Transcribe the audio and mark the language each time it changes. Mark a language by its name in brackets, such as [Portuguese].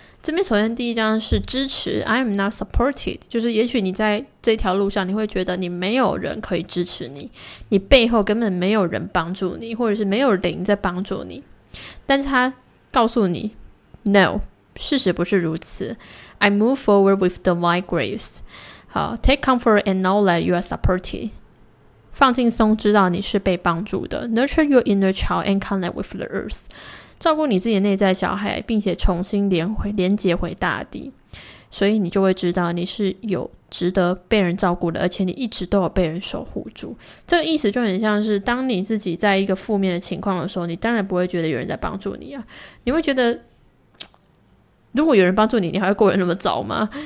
[Chinese] 这边首先第一章是支持， I'm not supported，就是也许你在这条路上，你会觉得你没有人可以支持你，你背后根本没有人帮助你，或者是没有灵在帮助你。但是他告诉你，No，事实不是如此。 [English] I move forward with divine grace。好，take comfort and know that you are supported。 [Chinese] 放轻松，知道你是被帮助的。 [English] Nurture your inner child and connect with the earth。 [Chinese] 照顾你自己的内在小孩，并且重新连接回大地，所以你就会知道你是有值得被人照顾的，而且你一直都有被人守护住。这个意思就很像是，当你自己在一个负面的情况的时候，你当然不会觉得有人在帮助你啊，你会觉得如果有人帮助你，你还会过得那么糟吗？